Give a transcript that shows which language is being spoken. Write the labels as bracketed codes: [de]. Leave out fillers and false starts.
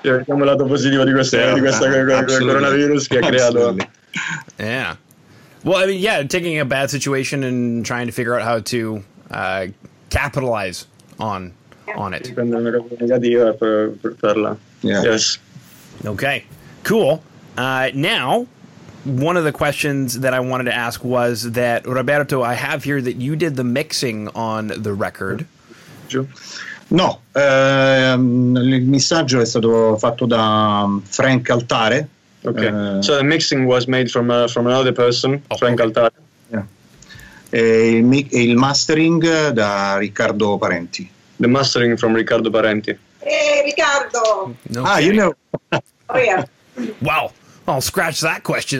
[it] Cerchiamo il lato positivo di questo coronavirus che ha creato. [en] Yeah. Well, I mean, yeah, taking a bad situation and trying to figure out how to capitalize on it. Yes. Okay. Cool. Now, one of the questions that I wanted to ask was that, Roberto, I have here that you did the mixing on the record. [it] No, il messaggio è stato fatto da Frank Altare. [en] Okay. So the mixing was made from another person, Frank Altare. [it] Yeah. E il mastering da Riccardo Parenti. [en] The mastering from Riccardo Parenti. Hey, Riccardo. No, ah, kidding. You know. Oh yeah. Wow. I'll scratch that question.